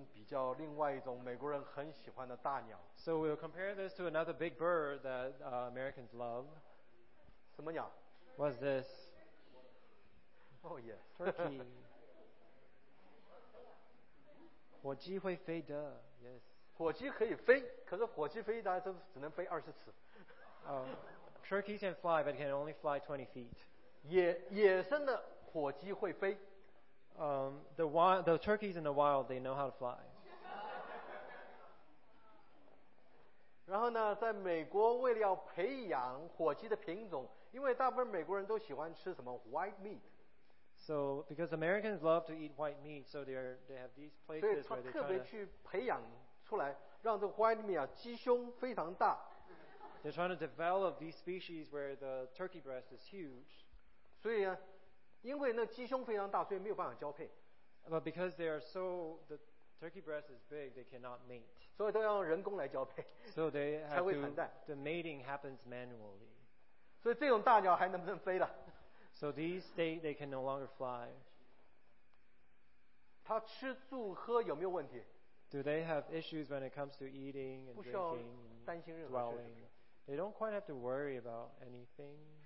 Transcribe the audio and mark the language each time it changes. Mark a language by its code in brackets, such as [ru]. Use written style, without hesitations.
[zh] 用这样来跟比较另外一种美国人很喜欢的大鸟。 [en] So we'll compare this to another big bird that Americans love. [zh] 什么鸟? [en] What's this? Oh yes. Turkey. [zh] 火鸡会飞的, [en] yes. [zh] 火鸡可以飞, 可是火鸡飞大概只能飞20次。 [en] Turkey can fly, but it can only fly 20 feet. [zh] 野生的火鸡会飞。 [en] The turkeys in the wild, they know how to fly. [zh] 然后呢, 在美国为了要培养火鸡的品种, 因为大部分美国人都喜欢吃什么, [en] white meat. So, because Americans love to eat white meat, so they have these places where they try to... [zh] 所以他特别去培养出来, 让这 [en] white meat, [zh] 鸡胸非常大。 [en] They're trying to develop these species where the turkey breast is huge. [zh] 所以啊, 因为那鸡胸非常大, 所以没有办法交配。 [en] But because they are so, the turkey breast is big, they cannot mate. [zh] 所以都要用人工来交配, [en] so they have to, the mating happens manually. [zh] 所以这种大鸟还能不能飞了? [en] So these state, they can no longer fly. [zh] 它吃住喝有没有问题? [en] Do they have issues when it comes to eating and drinking and dwelling? They don't quite have to worry about anything.